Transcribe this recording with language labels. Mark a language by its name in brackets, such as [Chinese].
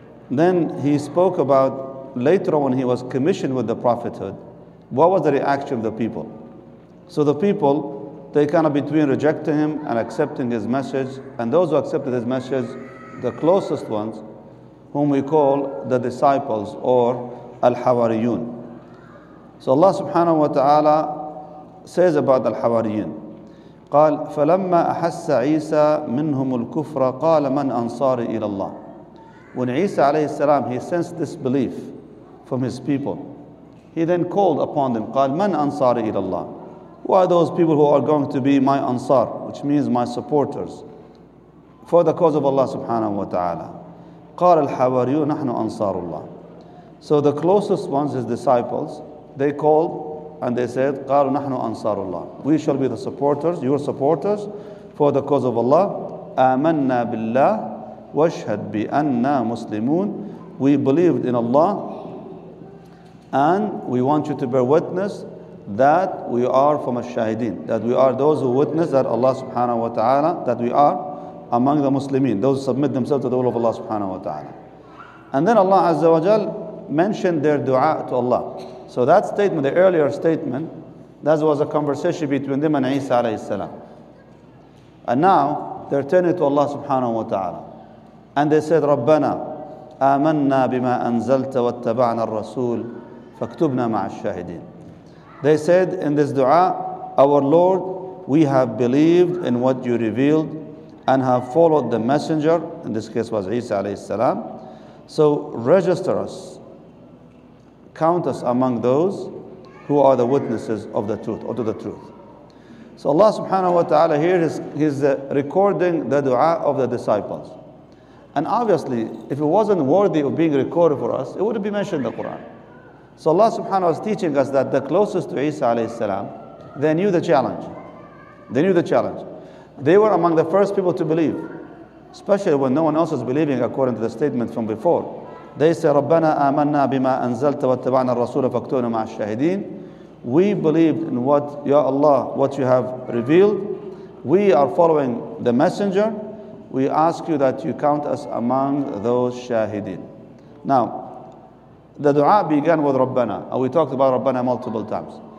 [English] Then he spoke about later on when he was commissioned with the prophethood, what was the reaction of the people? So the people, they kind of between rejecting him and accepting his message, and those who accepted his message, the closest ones, whom we call the disciples or al-hawariyun. So Allah subhanahu wa ta'ala says about al-hawariyun, [Arabic] قال فلما أحس عيسى منهم الكفر قال من أنصاري إلى الله. [English] When Isa alayhi salam, he sensed disbelief from his people, he then called upon them, [Arabic] قال من أنصاري إلى الله. [English] Who are those people who are going to be my ansar, which means my supporters for the cause of Allah subhanahu wa ta'ala. [Arabic] قال الحواريون نحن أنصار الله. [English] So the closest ones, his disciples, they called and they said, [Arabic] قالوا نحن أنصار الله. [English] We shall be the supporters, your supporters, for the cause of Allah. [Arabic] آمنا بالله واشهد بأننا مسلمون. [English] We believed in Allah and we want you to bear witness that we are from الشاهدين, that we are those who witness that Allah subhanahu wa ta'ala, that we are among the Muslimin, those who submit themselves to the will of Allah subhanahu wa ta'ala. And then Allah Azza wa Jal mentioned their dua to Allah. So that statement, the earlier statement, that was a conversation between them and Isa alayhi salam. And now they're turning to Allah subhanahu wa ta'ala. And they said, [Arabic] رَبَّنَا آمَنَّا بِمَا أَنزَلْتَ وَاتَّبَعْنَا الرَّسُولِ فَاكْتُبْنَا مَعَ الشَّاهِدِينَ. [English] They said in this dua, our Lord, we have believed in what you revealed and have followed the messenger, in this case was Isa alayhi salam. So register us, count us among those who are the witnesses of the truth, or to the truth. So Allah subhanahu wa ta'ala here is recording the dua of the disciples. And obviously, if it wasn't worthy of being recorded for us, it would be mentioned in the Quran. So Allah subhanahu wa ta'ala is teaching us that the closest to Isa alayhi salam, they knew the challenge. They knew the challenge. They were among the first people to believe, especially when no one else is believing according to the statement from before. They say, [Arabic] رَبَّنَا آمَنَّا بِمَا أَنزَلْتَ وَاتَّبَعْنَا الرَّسُولَ فَاكْتُونَ مَعَ الشَّهِدِينَ. [English] We believed in what, Ya Allah, what you have revealed. We are following the messenger. We ask you that you count us among those shahideen. Now, the dua began with رَبَّنَا. And we talked about رَبَّنَا multiple times.